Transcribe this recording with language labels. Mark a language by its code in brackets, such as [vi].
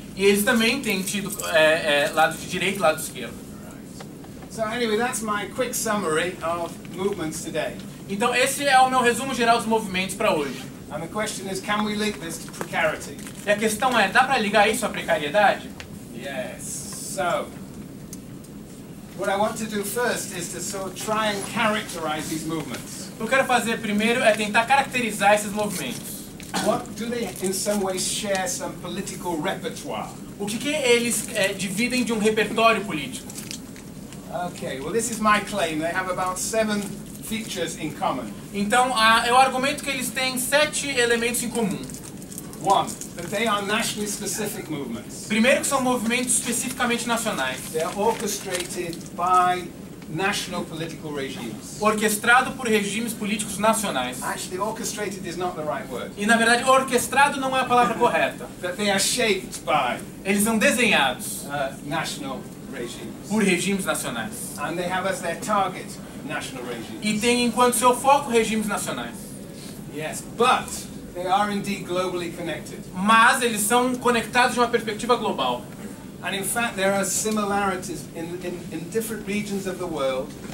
[pt] E eles também têm tido lado de direita e lado de esquerda. [en] Right. So anyway, that's my quick summary of movements today. [pt] Então esse é o meu resumo geral dos movimentos para hoje. [en] And the question is, can we link this to precarity? [pt] E a questão é, dá para ligar isso à precariedade? [en] Yes. So, what I want to do first is to sort of try and characterize these movements. [pt] O que eu quero fazer primeiro é tentar caracterizar esses movimentos. [en] What do they, in some ways, share some political repertoire? [pt] O que eles dividem de repertório político? [en] Okay. Well, this is my claim. They have about 7 features in common. [pt] Então, eu argumento que eles têm 7 elementos em comum. [en] One, that they are nationally specific movements. [pt] Primeiro, que são movimentos especificamente nacionais. [en] They are orchestrated by national political regimes. [pt] Orquestrado por regimes políticos nacionais. [en] Actually, orchestrated is not the right word. [pt] E na verdade, orquestrado não é a palavra correta. [en] That they are shaped by. [pt] Eles são desenhados [en] national regimes. [pt] Por regimes nacionais. [en] And they have as their target national regimes. [pt] E tem enquanto seu foco regimes nacionais. [en] Yes, but they are indeed globally connected. [pt] Mas eles são conectados de uma perspectiva global. [en] And in fact, there are similarities in different regions of the world.